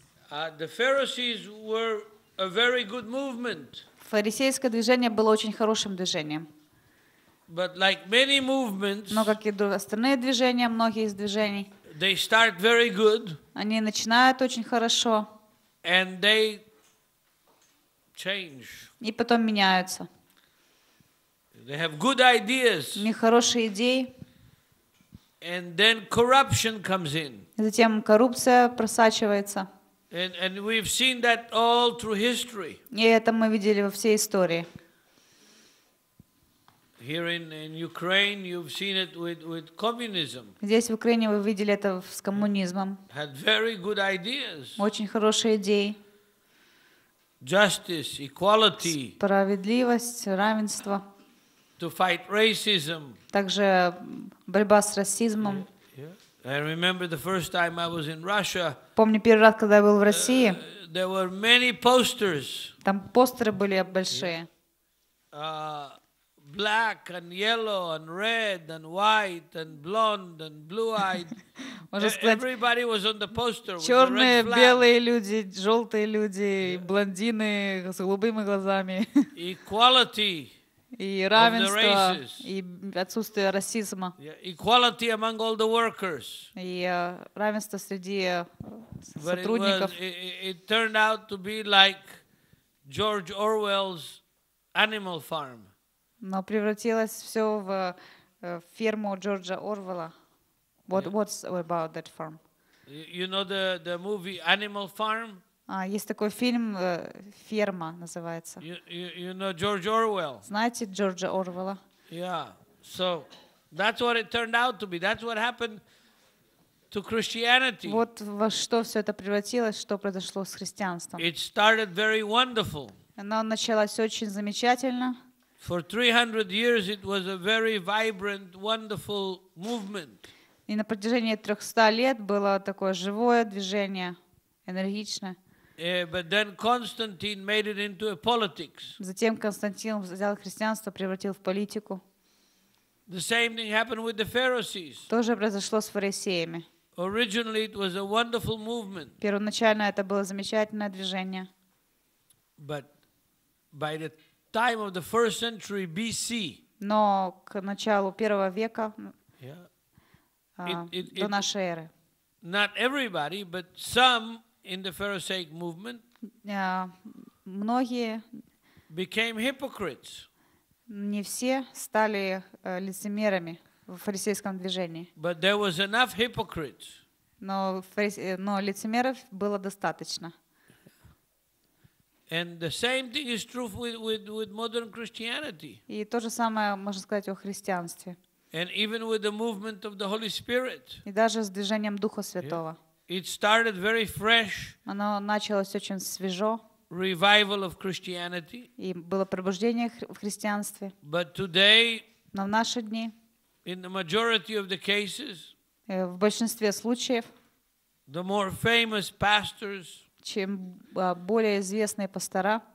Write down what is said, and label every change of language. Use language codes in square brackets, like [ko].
[en] The Pharisees were a very good movement. [ru] Фарисейское движение было очень хорошим движением. [en] But like many movements, [ru] но как и остальные движения, многие из движений, [en] they start very good, [ru] они начинают очень хорошо, [en] and they change. [ru] И потом меняются. [en] They have good ideas, [ru] у них хорошие идеи, [en] and then corruption comes in. [ru] И затем коррупция просачивается. [en] And we've seen that all through history. [ru] И это мы видели во всей истории. [en] Here in Ukraine, you've seen it with communism. [ru] Здесь в Украине вы видели это с коммунизмом. [en] Had very good ideas. [ru] Очень хорошие идеи. [en] Justice, equality. [ru] Справедливость, равенство. [en] To fight racism. [ru] Также борьба с расизмом. [en] I remember the first time I was in Russia. [ru] Помню первый раз, когда я был в России. [en] There were many posters. [ru] Там постеры были большие. [en] Black and yellow and red and white and blonde and blue-eyed. Everybody was on the poster. [ru] Черные, белые люди, желтые люди, блондины с голубыми глазами. [en] Equality. [ru] И равенство, и отсутствие расизма. [en] Equality among all the workers. [ru] И равенство среди сотрудников. [en] It turned out to be like George Orwell's Animal Farm. [ru] Но превратилось все в ферму Джорджа Орвелла. [en] What's about that farm? You know the movie Animal Farm? [ru] Есть такой фильм «Ферма» называется. [en] You know George Orwell? [ru] Знаете Джорджа Орвелла? [en] Yeah. So that's what it turned out to be. That's what happened to Christianity. [ru] Вот во что все это превратилось, что произошло с христианством. [en] It started very wonderful. [ru] Оно началось очень замечательно. [en] For 300 years it was a very vibrant, wonderful movement. [ru] И на протяжении 300 лет было такое живое движение, энергичное. [en] But then Constantine made it into a politics. [ru] Затем Константин взял христианство, превратил в политику. [en] The same thing happened with the Pharisees. [ru] Тоже произошло с фарисеями. [en] Originally it was a wonderful movement. [ru] Первоначально это было замечательное движение. [en] But by the time of the first century BC. [ru] Но к началу первого века до нашей эры. [en] Not everybody, but some in the Pharisaic movement. [ru] Многие [en] became hypocrites. [ru] Не все стали лицемерами в фарисейском движении. [en] But there was enough hypocrites. [ru] Но лицемеров было достаточно. [en] And the same thing is true with modern Christianity. [ru] И то же самое можно сказать о христианстве. [en] And even with the movement of the Holy Spirit. [ru] И даже с движением Духа Святого. [en] It started very fresh. [ru] Оно началось очень свежо. [en] Revival of Christianity. [ru] И было пробуждение в христианстве. [en] But today. [ru] Но в наши дни. [en] In the majority of the cases. [ru] В большинстве случаев. [en] The more famous pastors. [ru] Чем более известные пастора,